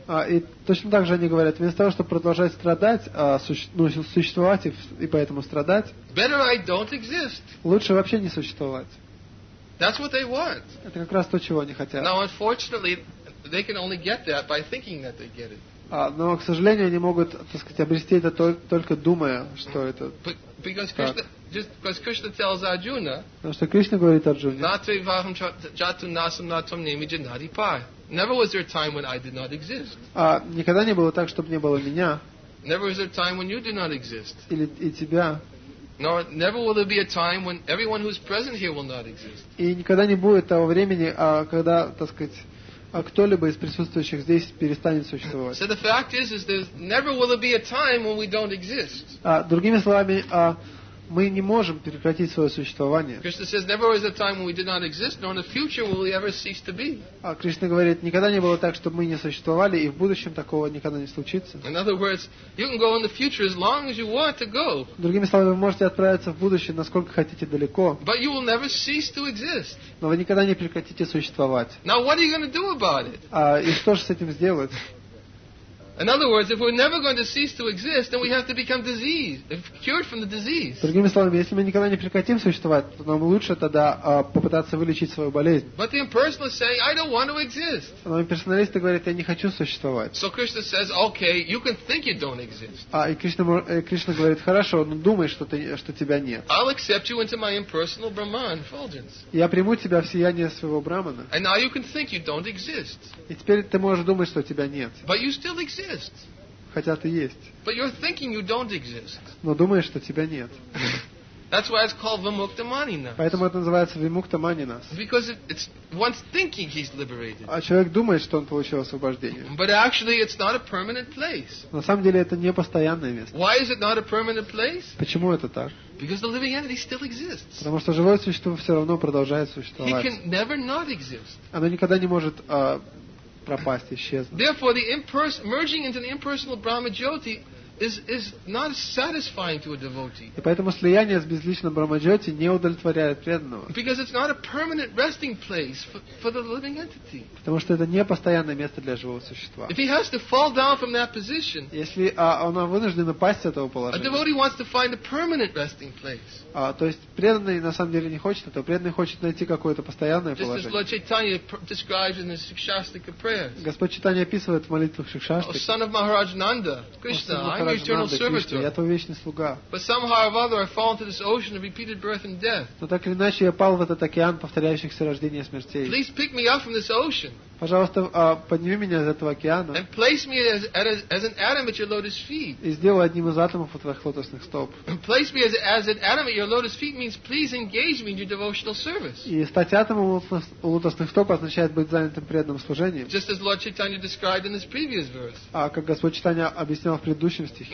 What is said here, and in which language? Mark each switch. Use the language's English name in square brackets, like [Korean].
[Russian] И точно так же они говорят, вместо того, чтобы продолжать страдать, существовать и поэтому страдать. [English] Better I don't exist. [Russian] Лучше вообще не существовать. [English] That's what they want. [Russian] Это как раз то, чего они хотят. [English] Now, unfortunately, they can only get that by thinking that they get it. [Russian] Но, к сожалению, они могут, так сказать, обрести это только думая, что это. Потому что Кришна говорит Арджуне. [Sanskrit] Натривахам чату насам натвам немиджанади па. [English] Never was there a time when I did not exist. [Russian] Никогда не было так, чтобы не было меня. [English] Never was there a time when you did not exist. [Russian] Или и тебя. [English] Nor never will there be a time when everyone who's present here will not exist. [Russian] И никогда не будет того времени, когда, так сказать. А кто-либо из присутствующих здесь перестанет существовать. [English] So the fact is there never will be a time when we don't exist. [Russian] Другими словами, мы не можем прекратить свое существование. [English] Krishna says never was a time when we did not exist, nor in the future will we ever cease to be. [Russian] Кришна говорит, никогда не было так, чтобы мы не существовали, и в будущем такого никогда не случится. [English] In other words, you can go in the future as long as you want to go. [Russian] Другими словами, вы можете отправиться в будущее насколько хотите далеко. [English] But you will never cease to exist. [Russian] Но вы никогда не прекратите существовать. [English] Now what are you going to do about it? [Russian] И что же с этим сделать? [English] In other words, if we're never going to cease to exist, then we have to become diseased, if cured from the disease. [Russian] Другими словами, если мы никогда не прекратим существовать, то нам лучше тогда попытаться вылечить свою болезнь. [English] But the impersonalist saying, I don't want to exist. [Russian] Но имперсоналисты говорят, я не хочу существовать. [English] So Krishna says, okay, you can think you don't exist. [Russian] И Кришна говорит, хорошо, но думай, что тебя нет. [English] I'll accept you into my impersonal Brahman effulgence. [Russian] Я приму тебя в сияние своего Брахмана. [English] And now you can think you don't exist. [Russian] И теперь ты можешь думать, что тебя нет. [English] But you still exist. [Russian] хотя ты есть. [English] But you're thinking you don't exist. [Russian] Но думаешь, что тебя нет. [English] That's why it's called vimuktamaninas. [Russian] Поэтому это называется vimuktamaninas. [English] Because it's one's thinking he's liberated. [Russian] А человек думает, что он получил освобождение. [English] But actually, it's not a permanent place. [Russian] На самом деле, это не постоянное место. [English] Why is it not a permanent place? [Russian] Почему это так? [English] Because the living entity still exists. [Russian] Потому что живое существо все равно продолжает существовать. [English] He can never not exist. [Russian] Оно никогда не может пропасть, исчезнуть. [English] Therefore, the merging into the impersonal Brahma Jyoti is not satisfying to a devotee. [Russian] И поэтому слияние с безличным Брахмаджоти не удовлетворяет преданного. [English] Because it's not a permanent resting place for the living entity. [Russian] Потому что это не постоянное место для живого существа. [English] If he has to fall down from that position. [Russian] Если он вынужден упасть с этого положения. [English] A devotee wants to find a permanent resting place. [Russian] То есть преданный на самом деле не хочет этого. Преданный хочет найти какое-то постоянное положение. [English] Just as Lord Chaitanya describes in his Шикшастика prayers. [Russian] Господь Читания описывает в молитвах Шикшастика. [English] Son of Maharaj Nanda, Krishna. [Russian] Я твой вечный слуга. [English] But somehow or other, I fall into this ocean of repeated birth and death. [Russian] Но так или иначе я пал в этот океан повторяющихся рождений и смертей. [English] Please pick me up from this ocean. [Russian] Пожалуйста, подними меня из этого океана. [English] And place me as an atom at your lotus feet. [Russian] И сделай одним из атомов у твоих лотосных стоп. [English] And place me as an atom at your lotus feet means please engage me in your devotional service. [Russian] И стать атомом у лотосных стоп означает быть занятым преданным служением. [English] Just as Lord Chaitanya described in his previous verse. [Russian] А как Господь Читания объяснял в предыдущем стихе.